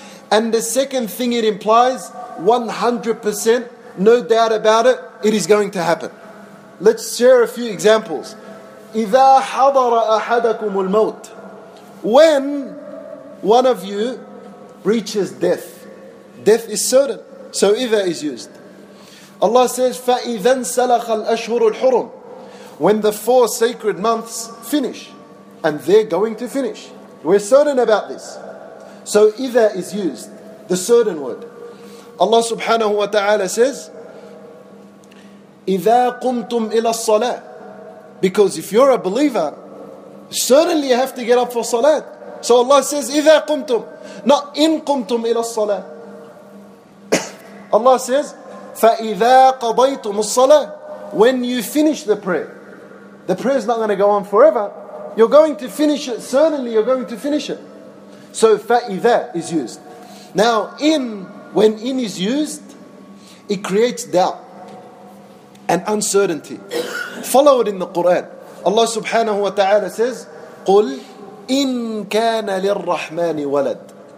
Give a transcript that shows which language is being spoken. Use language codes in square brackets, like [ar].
[en] And the second thing it implies, 100%, no doubt about it, it is going to happen. Let's share a few examples. [ar] إِذَا حَضَرَ أَحَدَكُمُ الْمَوْتِ. [en] When one of you reaches death, death is certain. So إِذَا is used. Allah says, [ar] فَإِذَنْ سَلَخَ الْأَشْهُرُ الْحُرُمُ. [en] When the four sacred months finish, and they're going to finish. We're certain about this. So إِذَا is used, the certain word. Allah subhanahu wa ta'ala says, [ar] إِذَا قُمْتُمْ إِلَى الصَّلَاةِ. [en] Because if you're a believer, certainly you have to get up for salat. So Allah says, [ar] إِذَا قُمْتُمْ. Not إِن قُمْتُمْ إِلَى الصَّلَاةِ. [en] Allah says, [ar] فَإِذَا قَضَيْتُمُ الصَّلَاةِ. [en] When you finish the prayer. The prayer is not going to go on forever. You're going to finish it. Certainly you're going to finish it. So fa'idha is used. Now in, when in is used, it creates doubt and uncertainty. Follow it in the Quran. Allah subhanahu wa ta'ala says, [ar] قُلْ إِن كَانَ لِلرَّحْمَانِ وَلَدْ.